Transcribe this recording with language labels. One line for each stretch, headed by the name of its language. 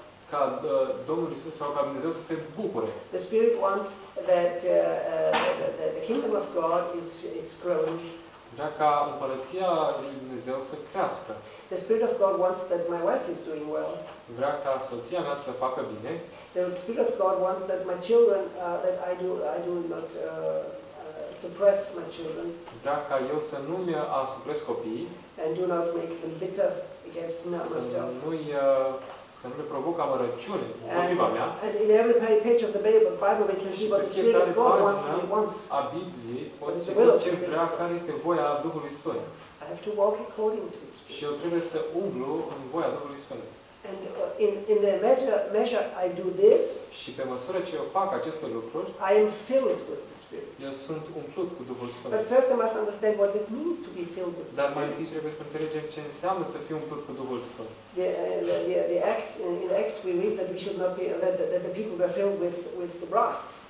Romanian: Ca Domnul Iisus sau ca Dumnezeu să se bucure.
English: The Spirit wants that the kingdom of God is growing.
Romanian: Vrea ca împărăția lui Dumnezeu să crească.
English: The Spirit of God wants that my wife is doing well.
Romanian: Vrea ca soția mea să facă bine.
English: The Spirit of God wants that my children that I do not suppress my children.
Romanian: Vrea ca eu să nu mi asupresc copiii.
English: And do not make them bitter against myself.
Romanian: Să nu le provoc amărăciune împotriva mea.
English: And in every page of the Bible we can see what the Spirit of God wants.
Romanian: A Biblie poate să vedem ce vrea, care este voia Duhului Sfânt.
English: I have to walk according to it.
Romanian: Și eu trebuie să umblu în voia Duhului Sfânt.
English: And in the measure I do this,
Romanian: și pe măsură ce eu fac aceste lucruri,
English: I am filled with the Spirit.
Romanian: Eu sunt umplut cu Duhul Sfânt.
English: But first I must understand what it means to be filled with the Spirit.
Romanian: Dar mai întâi trebuie să înțelegem ce înseamnă să fii umplut cu Duhul Sfânt.
English: The Acts, in Acts we read that we should not be that the people were filled with wrath.